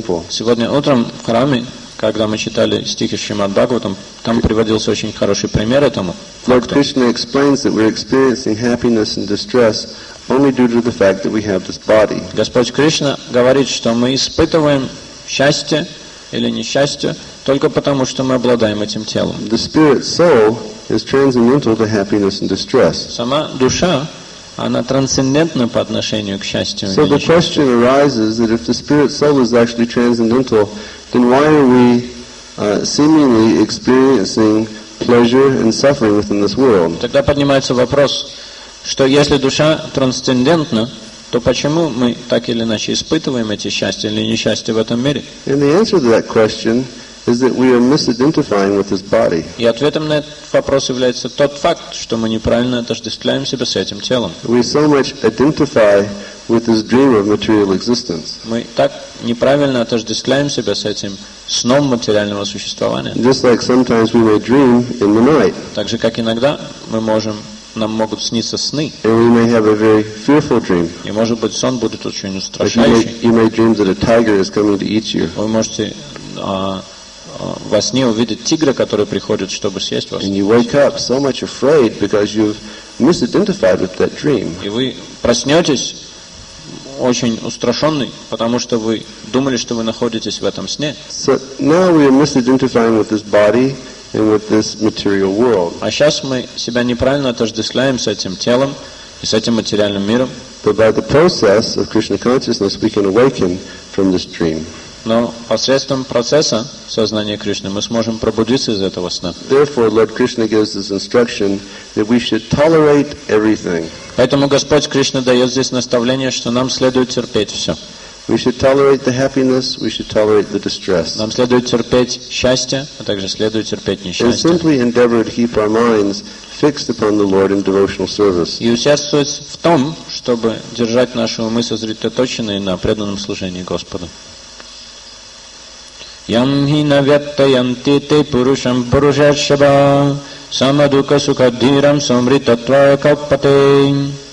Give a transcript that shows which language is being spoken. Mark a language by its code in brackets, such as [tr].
[ru] Сегодня утром в храме, когда мы читали стихи Шримад Бхагаватам, там приводился очень хороший пример этому факту. [en] Lord Krishna explains that we're experiencing happiness and distress only due to the fact that we have this body. [ru] Господь Кришна говорит, что мы испытываем счастье или несчастье только потому, что мы обладаем этим телом. [en] The spirit soul is transcendental to happiness and distress. [ru] Сама душа, она трансцендентна по отношению к счастью и несчастью. [en] So the question arises that if the spirit soul is actually transcendental, then why are we seemingly experiencing pleasure and suffering within this world? [ru] Тогда поднимается вопрос, что если душа трансцендентна, то почему мы так или иначе испытываем эти счастья или несчастья в этом мире? [en] And the answer to that question is that we are misidentifying with this body. [ru] И ответом на этот вопрос является тот факт, что мы неправильно отождествляем себя с этим телом. [en] We so much identify with this dream of material existence. [ru] Мы так неправильно отождествляем себя с этим сном материального существования. [en] Just like sometimes we may dream in the night. [ru] Так же, как иногда мы можем нам могут сниться сны. [en] And we may have a very fearful dream. [ru] И может быть сон будет очень устрашающий. [en] You may dream that a tiger is coming to eat you. [ru] Вы можете во сне увидеть тигра, который приходит, чтобы съесть вас. [en] And you wake up so much afraid because you've misidentified with that dream. [ru] И вы проснетесь очень устрашенный, потому что вы думали, что вы находитесь в этом сне. [en] So now we are misidentifying with this body and with this material world. [ru] А сейчас мы себя неправильно отождествляем с этим телом и с этим материальным миром. [en] But by the process of Krishna consciousness, we can awaken from this dream. [ru] Но посредством процесса сознания Кришны мы сможем пробудиться из этого сна. [en] Therefore, Lord Krishna gives this instruction that we should tolerate everything. [ru] Поэтому Господь Кришна дает здесь наставление, что нам следует терпеть все. [en] We should tolerate the happiness. We should tolerate the distress. [ru] Нам следует терпеть счастье, а также следует терпеть несчастье. [en] And simply endeavor to keep our minds fixed upon the Lord in devotional service. [ru] И участвовать в том, чтобы держать наши умы сосредоточенные на преданном служении Господу. [sa] Yam hi na vyattayam te te purusham purushasva samadukha sukadhiram samritatvaya kalpate.